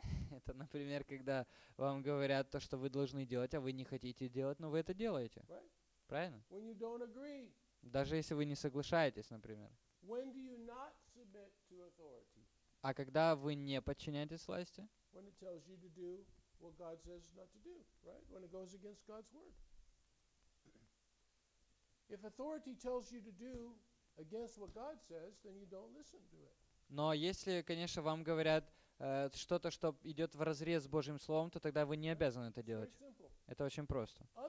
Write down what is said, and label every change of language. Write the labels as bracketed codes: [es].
[ru] Это, например, когда вам говорят то, что вы должны делать, а вы не хотите делать, но вы это делаете. [en] Right? [ru] Правильно? [en] When you don't agree. [ru] Даже если вы не соглашаетесь, например. [en] When do you not submit to authority? [ru] А когда вы не подчиняетесь власти? [en] When it tells you to do what God says not to do, right? When it goes against God's word. If authority tells you to do against what God says, then you don't listen to it. [ru] Но если, конечно, вам говорят что-то, что идет вразрез с Божьим Словом, то тогда вы не обязаны это делать. Это очень просто.